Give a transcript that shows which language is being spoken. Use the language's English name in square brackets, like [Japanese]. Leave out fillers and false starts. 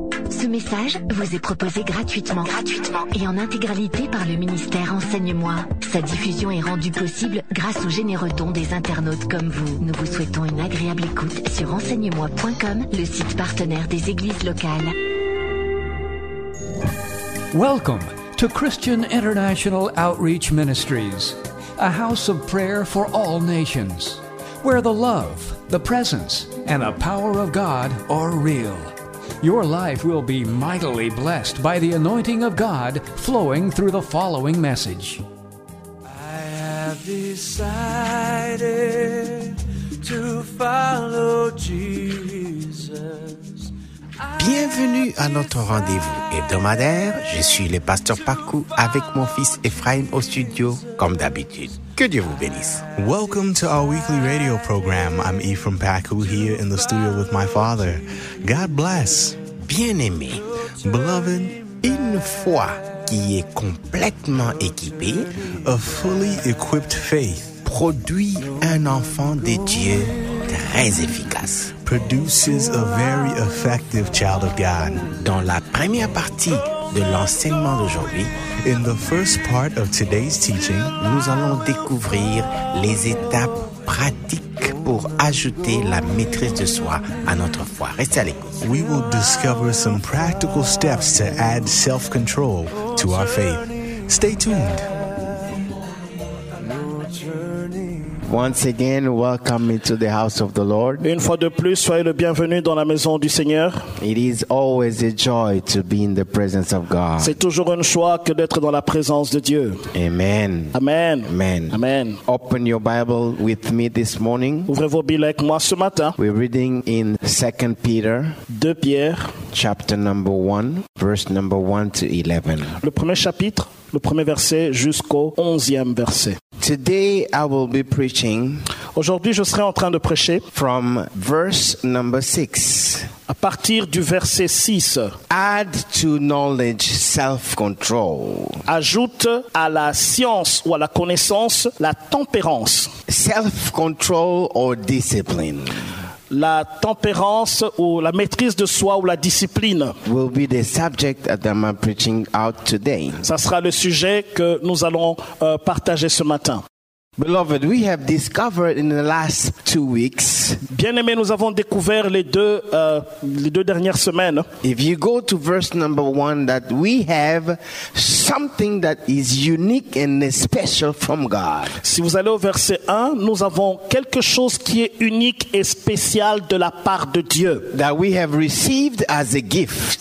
[French] Ce message vous est proposé gratuitement. Gratuitement. Et en intégralité par le ministère Enseigne-moi. Sa diffusion est rendue possible grâce aux généreux dons des internautes comme vous. Nous vous souhaitons une agréable écoute sur enseignemoi.com, le site partenaire des églises locales. [English] Welcome to Christian International Outreach Ministries, a house of prayer for all nations, where the love, the presence, and the power of God are real. Your life will be mightily blessed by the anointing of God flowing through the following message. I have decided to follow Jesus. [French] Bienvenue à notre rendez-vous hebdomadaire. Je suis le pasteur Paku avec mon fils Ephraim au studio, comme d'habitude. Que Dieu vous bénisse. [English] Welcome to our weekly radio program. I'm Ephraim Paku here in the studio with my father. God bless. [French] Bien-aimé, beloved, une foi qui est complètement équipée, [English] a fully equipped faith, [French] produit un enfant de Dieu très efficace. [English] Produces a very effective child of God. [French] Dans la première partie de l'enseignement d'aujourd'hui, [English] in the first part of today's teaching, [French] nous allons découvrir les étapes pratiques pour ajouter la maîtrise de soi à notre foi. Restez à l'écoute. [English] We will discover some practical steps to add self-control to our faith. Stay tuned. Once again, welcome into the house of the Lord. [French] Une fois de plus, soyez le bienvenu dans la maison du Seigneur. [English] It is always a joy to be in the presence of God. [French] C'est toujours une joie que d'être dans la présence de Dieu. Amen. Amen. Amen. Amen. [English] Open your Bible with me this morning. [French] Ouvrez vos Bibles avec moi ce matin. [English] We're reading in 2 Peter. [French] 2 Pierre. [English] Chapter number 1, verse number 1 to 11. [French] Le premier chapitre, le premier verset jusqu'au 11e verset. [English] Today I will be preaching. [French] Aujourd'hui, je serai en train de prêcher [English] from verse number 6. [French] À partir du verset 6. [English] Add to knowledge self-control. [French] Ajoute à la science ou à la connaissance la tempérance. [English] Self-control or discipline. [French] La tempérance ou la maîtrise de soi ou la discipline. [English] Will be the subject that I'm preaching out today. [French] Ça sera le sujet que nous allons partager ce matin. [English] Beloved, we have discovered in the last 2 weeks. [French] Bien-aimés, nous avons découvert les deux dernières semaines. [English] If you go to verse number 1, that we have something that is unique and special from God. [French] Si vous allez au verset 1, nous avons quelque chose qui est unique et spécial de la part de Dieu. [English] That we have received as a gift.